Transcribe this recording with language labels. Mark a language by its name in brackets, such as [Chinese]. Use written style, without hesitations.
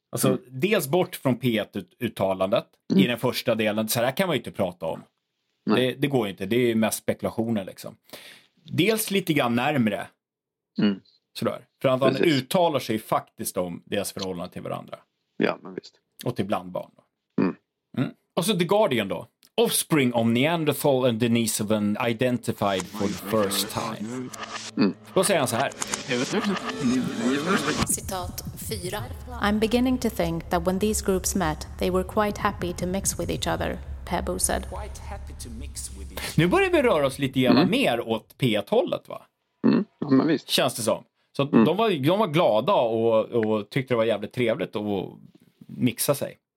[Swedish] Alltså, dels bort från P1-uttalandet i den första delen. Så här kan man ju inte prata om. Det går ju inte. Det är ju mest spekulationer liksom. Dels lite grann närmare. Mm. Sådär. För att han uttalar sig faktiskt om deras förhållande till varandra. Ja, men visst. Och till blandbarn då. Mm. Mm. Och så The Guardian då. [English] Offspring of Neanderthal and Denisovan identified for the first time. Mm. [Swedish] Då säger han så här. Citat 4. [English] I'm beginning to think that when these groups met, they were quite happy to mix with each other, Pebo said. Quite happy to mix with each other. [Swedish] Nu börjar vi röra oss lite grann mer åt P1-hållet, va? Mm, ja, men visst. Känns det som. Så de var glada och tyckte det var jävligt trevligt att mixa sig.